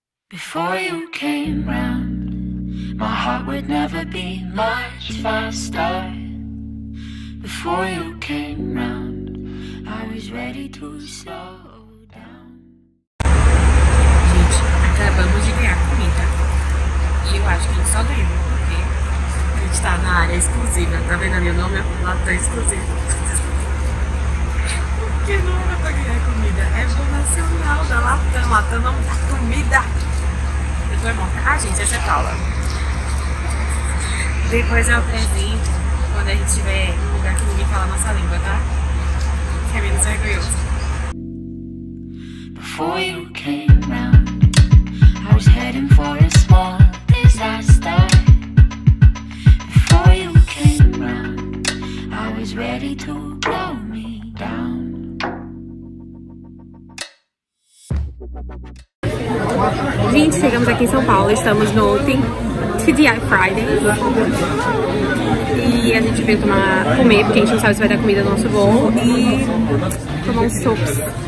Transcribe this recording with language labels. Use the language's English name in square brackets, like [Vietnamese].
[English] Before you came round, my heart would never be much faster. Before you came round, I was ready to slow down. [Portuguese] Gente, acabamos de ganhar comida. E eu acho que a gente só ganhou, porque a gente tá na área exclusiva. Tá vendo ali o nome? É um lado tão exclusivo. Por que não era pra ganhar comida? É voo nacional da Latam. Latam não dá comida. Eu tô morta. Ah, gente, essa é Paula. Depois eu apresento quando a gente tiver um lugar que ninguém fala a nossa língua, tá? Que é menos vergonhoso. [English] Before you came round, I was heading for a small disaster. Before you came round, I was ready to blow me down. [Portuguese] Gente, chegamos aqui em São Paulo, estamos no Tim TGI Fridays. E a gente veio comer, porque a gente não sabe se vai dar comida no nosso voo. E tomar uns sopes.